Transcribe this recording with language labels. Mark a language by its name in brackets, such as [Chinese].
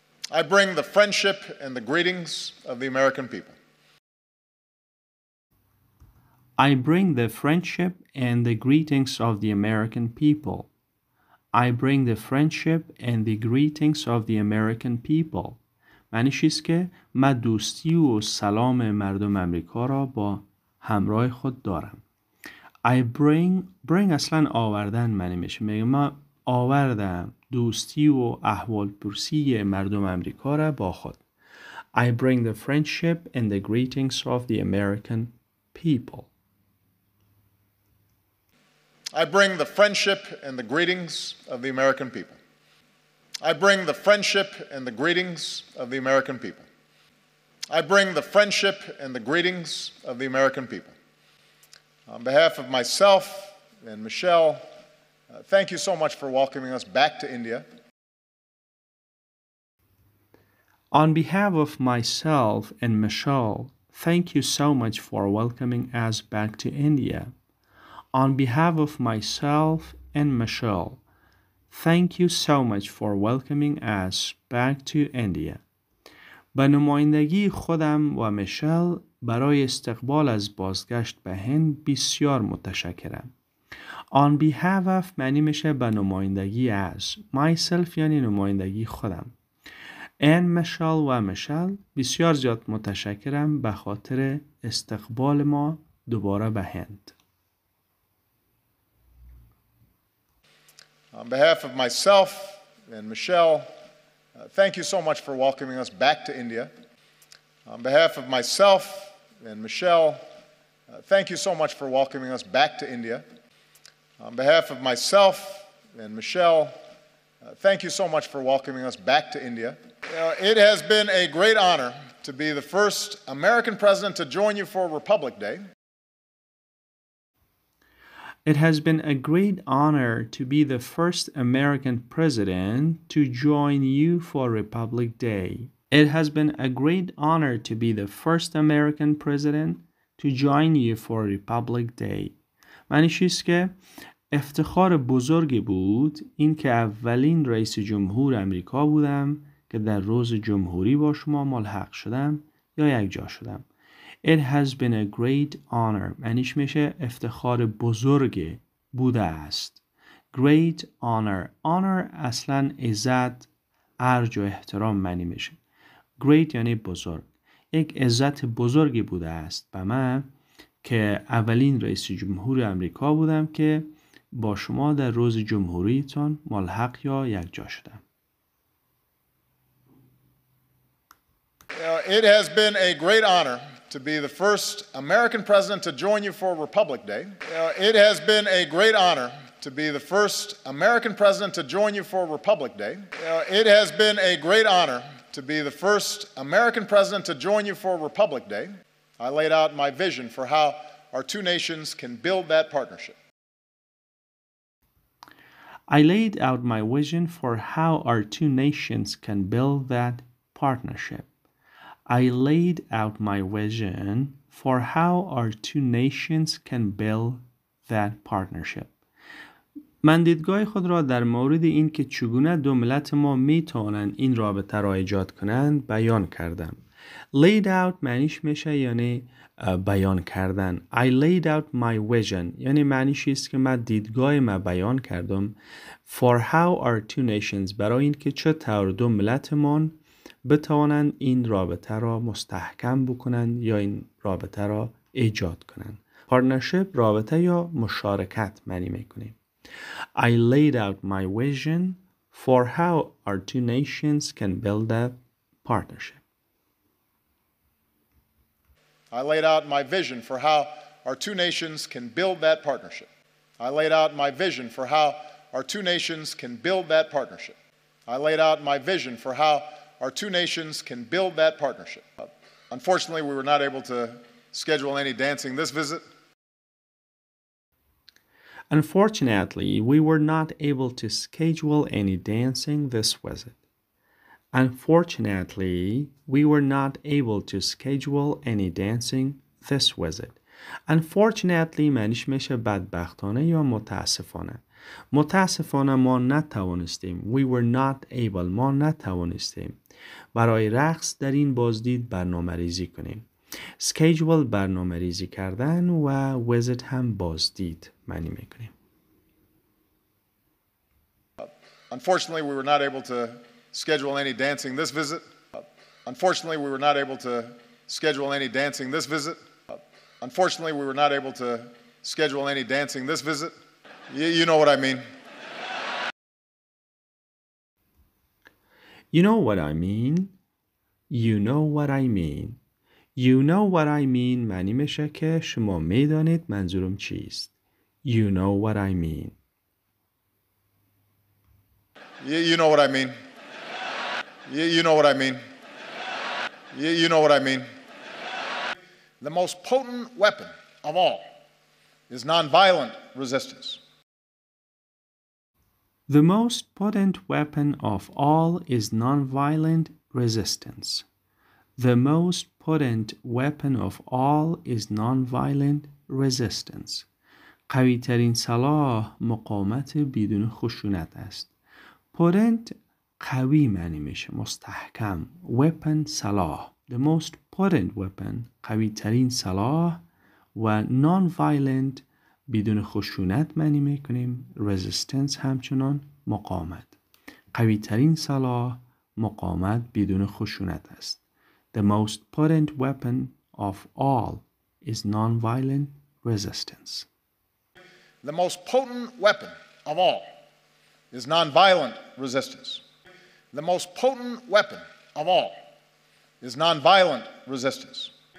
[English] I bring the friendship and the greetings of the American people. I bring the friendship and the greetings of the American people. I bring the friendship and the greetings of the American people. [Persian] معنیش است که من دوستی و سلام مردم امریکا را با همراه خود دارم. [English] I bring [Persian] اصلا آوردن معنی میشه. میگم من آوردم دوستی و احوال پرسی مردم امریکا را با خود. [English] I bring the friendship and the greetings of the American people. I bring the friendship and the greetings of the American people. I bring the friendship and the greetings of the American people. I bring the friendship and the greetings of the American people. On behalf of myself and Michelle, thank you so much for welcoming us back to India. On behalf of myself and Michelle, thank you so much for welcoming us back to India. On behalf of myself and Michelle, thank you so much for welcoming us back to India. [Persian] به نمایندگی خودم و میشل برای استقبال از بازگشت به هند بسیار متشکرم. [English] On behalf of [Persian] معنی میشه به نمایندگی از [English] myself [Persian] یعنی نمایندگی خودم. [English] And Michelle [Persian] و میشل بسیار زیاد متشکرم به خاطر استقبال ما دوباره به هند. [English] On behalf of myself and Michelle, thank you so much for welcoming us back to India. On behalf of myself and Michelle, thank you so much for welcoming us back to India. On behalf of myself and Michelle, thank you so much for welcoming us back to India. It has been a great honor to be the first American president to join you for Republic Day. It has been a great honor to be the first American president to join you for Republic Day. It has been a great honor to be the first American president to join you for Republic Day. [Persian] معنیش که افتخار بزرگی بود این که اولین رئیس جمهور آمریکا بودم که در روز جمهوری با شما ملحق شدم یا یکجا شدم. [English] It has been a great honor. [Persian] معنیش میشه افتخار بزرگ بوده است. [English] Great honor. [Persian] Honor اصلا عزت، ارج و احترام معنی میشه. Great یعنی بزرگ. یک عزت بزرگی بوده است به من که اولین رئیس جمهور آمریکا بودم که با شما در روز جمهوریتون ملحق یا یکجا شدم. [English] It has been a great honor to be the first American president to join you for Republic Day. It has been a great honor to be the first American president to join you for Republic Day. It has been a great honor to be the first American president to join you for Republic Day. I laid out my vision for how our two nations can build that partnership. I laid out my vision for how our two nations can build that partnership. I laid out my vision for how our two nations can build that partnership. [Persian] من دیدگاه خود را در مورد این که چگونه دو ملت ما می توانند این رابطه را ایجاد کنند بیان کردم. [English] Laid out [Persian] معنیش میشه یعنی بیان کردن. [English] I laid out my vision [Persian] یعنی معنیش است که من دیدگاه ما بیان کردم [English] for how our two nations [Persian] برای این که چطور دو ملت ما بتوانند این رابطه را مستحکم بکنند یا این رابطه را ایجاد کنند. Partnership رابطه یا مشارکت معنی میکنیم. [English] I laid out my vision for how our two nations can build a partnership. I laid out my vision for how our two nations can build that partnership. I laid out my vision for how our two nations can build that partnership. I laid out my vision for how our two nations can build that partnership. Unfortunately, we were not able to schedule any dancing this visit. Unfortunately, we were not able to schedule any dancing this visit. Unfortunately, we were not able to schedule any dancing this visit. [Persian] Unfortunately, معنیش میشه بدبختانه یا متاسفانه. متاسفانه ما نتوانستیم. [English] We were not able. [Persian] ما نتوانستیم. برای رقص در این بازدید برنامه ریزی کنیم. Schedule برنامه ریزی کردن و visit هم بازدید معنی میکنیم. [English] Unfortunately, we were not able to schedule any dancing this visit. Unfortunately, we were not able to schedule any dancing this visit. Unfortunately, we were not able to schedule any dancing this visit. You know what I mean. You know what I mean? You know what I mean? You know what I mean [Persian] معنی میشه که شما میدانید منظورم چیست. [English] You know what I mean. You know what I mean. You know what I mean. You know what I mean. The most potent weapon of all is nonviolent resistance. The most potent weapon of all is nonviolent resistance. The most potent weapon of all is nonviolent resistance. [Persian] قوی ترین سلاح مقاومت بدون خشونت است. Potent قوی معنی میشه، مستحکم. Weapon سلاح. [English] The most potent weapon [Persian] قوی ترین سلاح و nonviolent بدون خشونت معنی میکنیم. Resistance همچنان مقاومت. قوی ترین سلاح مقاومت بدون خشونت است. [English] The most potent weapon of all is nonviolent resistance. The most potent weapon of all is nonviolent resistance. The most potent weapon of all is nonviolent resistance.